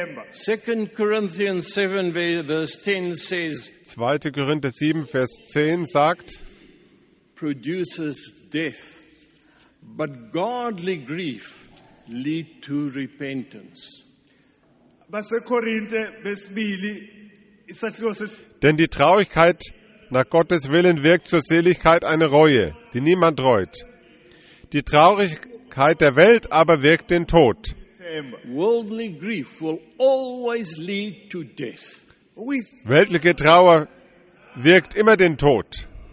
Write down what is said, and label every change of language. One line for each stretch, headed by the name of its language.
English: Second Corinthians 7 verse 10 says.
German: 2. Korinther 7 Vers 10 sagt.
English: Produces death, but godly grief lead to repentance. Base Korinthe besbili isatlosis.
German: Denn die Traurigkeit nach Gottes Willen wirkt zur Seligkeit eine Reue, die niemand reut. Die Traurigkeit der Welt aber wirkt den Tod.
English: Worldly grief will always lead to death.
German: Weltliche Trauer wirkt immer den Tod.